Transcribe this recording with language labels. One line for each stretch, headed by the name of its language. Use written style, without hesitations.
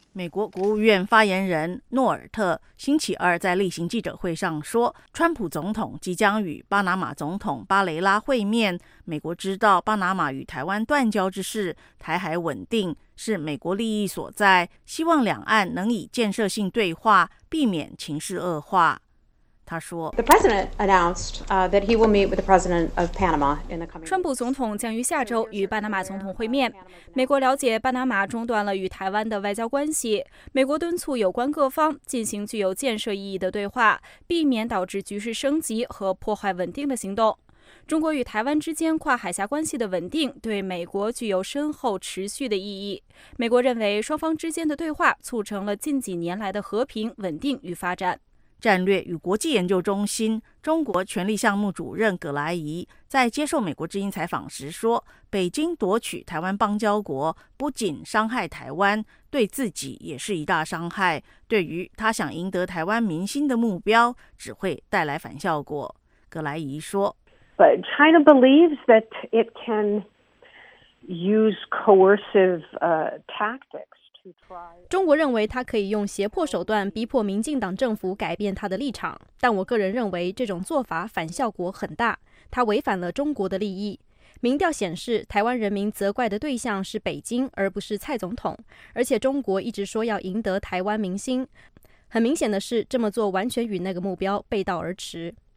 Chinese: 美国国务院发言人诺尔特星期二在例行记者会上说，川普总统即将与巴拿马总统巴雷拉会面。美国知道巴拿马与台湾断交之事，台海稳定是美国利益所在，希望两岸能以建设性对话，避免情势恶化。他说
English: ，The president announced that he will meet with the president of Panama in the coming.
Chinese: 川普总统将于下周与巴拿马总统会面。美国了解巴拿马中断了与台湾的外交关系。美国敦促有关各方进行具有建设意义的对话，避免导致局势升级和破坏稳定的行动。中国与台湾之间跨海峡关系的稳定对美国具有深厚持续的意义。美国认为双方之间的对话促成了近几年来的和平、稳定与发展。战略与国际研究中心中国权力项目主任葛莱仪在接受美国之音采访时说，北京夺取台湾邦交国不仅伤害台湾，对自己也是一大伤害，对于他想赢得台湾民心的目标只会带来反效果。葛莱仪说，
English: But China believes that it can use coercive tactics.
Chinese: 中国认为他可以用胁迫手段逼迫民进党政府改变他的立场，但我个人认为这种做法反效果很大，他违反了中国的利益。民调显示，台湾人民责怪的对象是北京，而不是蔡总统，而且中国一直说要赢得台湾民心，很明显的是，这么做完全与那个目标背道而驰。